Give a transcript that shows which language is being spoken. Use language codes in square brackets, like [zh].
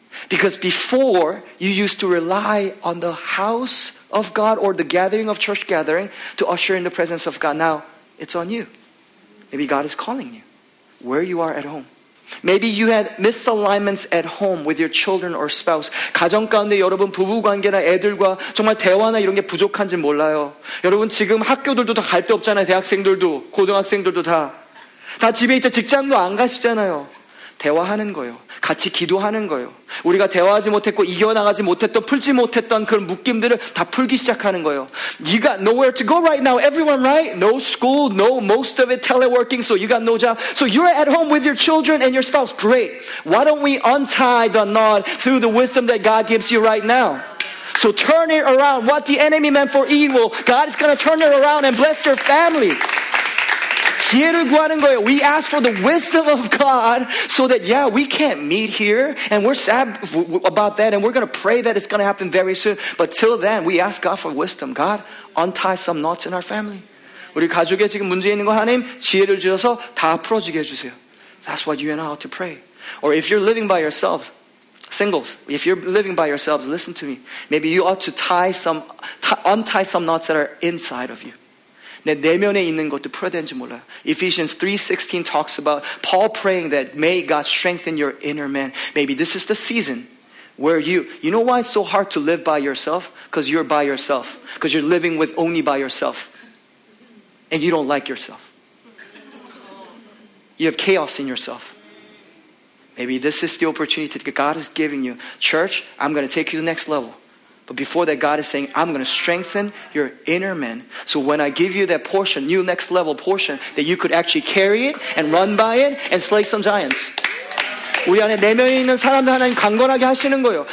[en] Because before, you used to rely on the house of God or the gathering of church gathering to usher in the presence of God. Now, it's on you. Maybe God is calling you where you are at home. Maybe you had misalignments at home with your children or spouse. [ko] 가정 가운데 여러분 부부 관계나 애들과 정말 대화나 이런 게 부족한지 몰라요. 여러분 지금 학교들도 다 갈 데 없잖아요. 대학생들도, 고등학생들도 다. 다 집에 있자 직장도 안 가시잖아요. 대화하는 거예요. 같이 기도하는 거예요. 우리가 대화하지 못했고 이겨나가지 못했던 풀지 못했던 그런 묶임들을 다 풀기 시작하는 거예요. [en] You got nowhere to go right now, everyone, right? No school, no most of it teleworking, so you got no job. So you're at home with your children and your spouse. Great. Why don't we untie the knot through the wisdom that God gives you right now? So turn it around. What the enemy meant for evil, God is going to turn it around and bless your family. [ko] 지혜를 구하는 거예요. [en] We ask for the wisdom of God so that, yeah, we can't meet here and we're sad about that and we're going to pray that it's going to happen very soon. But till then, we ask God for wisdom. God, untie some knots in our family. [ko] 우리 가족에 지금 문제 있는 거 하나님 지혜를 주셔서 다 풀어주게 해주세요. [en] That's what you and I ought to pray. Or if you're living by yourself, singles, if you're living by yourselves, listen to me. Maybe you ought to untie some knots that are inside of you. [ko] 내 내면에 있는 것도 풀어야 되는지 몰라요. [en] Ephesians 3:16 talks about Paul praying that may God strengthen your inner man. Maybe this is the season where you know why it's so hard to live by yourself? Because you're by yourself. Because you're living with only by yourself. And you don't like yourself. You have chaos in yourself. Maybe this is the opportunity that God is giving you. Church, I'm going to take you to the next level. But before that, God is saying, I'm going to strengthen your inner man. So when I give you that portion, new next level portion, that you could actually carry it and run by it and slay some giants. [ko] 우리 안에 내면에 있는 사람들 하나님 강건하게 하시는 거예요.